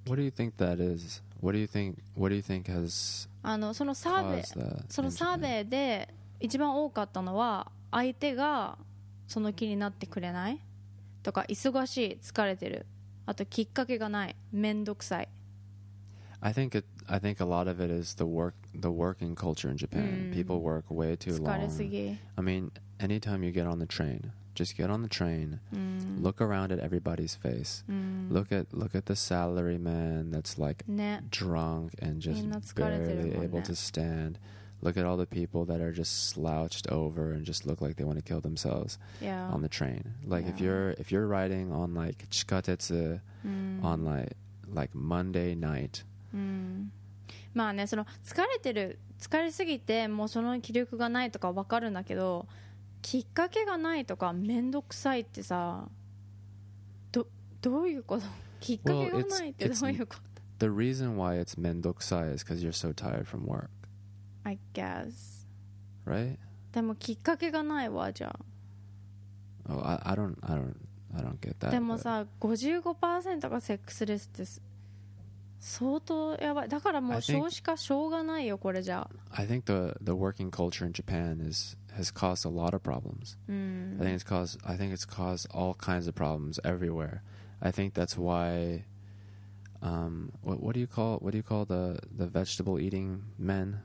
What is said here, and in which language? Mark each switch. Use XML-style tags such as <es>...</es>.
<en>What do you think that is? What do you think has</en> <ja>あのそのサーベイ、そのサーベイで一番多かったのは相手がその気になってくれないとか忙しい疲れてるあときっかけがないめんどくさい。</ja> <en>I think a lot of it is the working culture in Japan.、うん、People work way too long.</en> <ja>疲れすぎ。</ja> <en>I mean, anytime you get on the train. Just get on the train,、 mm. look around at everybody's face,、 mm. look at the salary man that's like、</en> <ja>ね、</ja> <en>drunk and just barely able、</en> <ja>ね、</ja> <en>to stand. Look at all the people that are just slouched over and just look like they want to kill themselves、 yeah. on the train. Like、yeah. if you're riding on like 地下鉄、mm. on like Monday night.、 Mm.</en> <ja>まあね、その疲れすぎてもうその気力がないとかわかるんだけど。きっかけがないとかめんどくさいってさ、どういうこと？きっかけがないってどういうこと？</ja> <en>Well, the reason why it's めんどくさい is because you're so tired from work. I guess. Right?</en> <ja>でもきっかけがないわじゃあ。</ja> <en>Oh, I don't get that.</en> <ja>でもさ、55% がセックスレスって相当やばい。だからもう少子化しょうがないよこれじゃ。</ja> <en>I think the working culture in Japan has caused a lot of problems.、 Mm. I think it's caused all kinds of problems everywhere. I think that's why what do you call the vegetable eating men?</en>